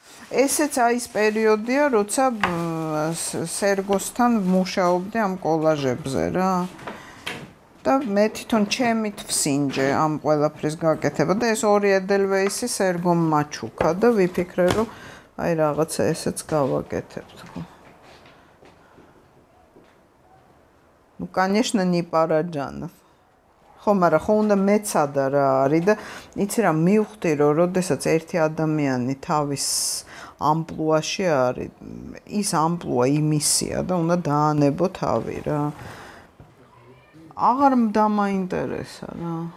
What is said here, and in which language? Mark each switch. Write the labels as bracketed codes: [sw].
[ka] ესეც აი ეს პერიოდია, როცა სერგოსთან მუშაობდი ამ კოლაჟებზე რა. და მე თვითონ ჩემით ვსინჯე ამ ყველაფრის გაკეთება და ეს ორი ედელვეისი სერგომ მაჩუქა და ვიფიქრე, რომ აი რაღაცა ესეც გავაკეთებთ. [ru] Ну, конечно, не параджанов. [ka] ხო, მაგრამ ხო უნდა მეცადა რა არის და იცი რა, მივხვდი, რომ როდესაც ერთი ადამიანი თავის ამპლუაში არის, ის ამპლუა იმისია და უნდა დაანებო თავი რა. აღარ დამაინტერესა რა.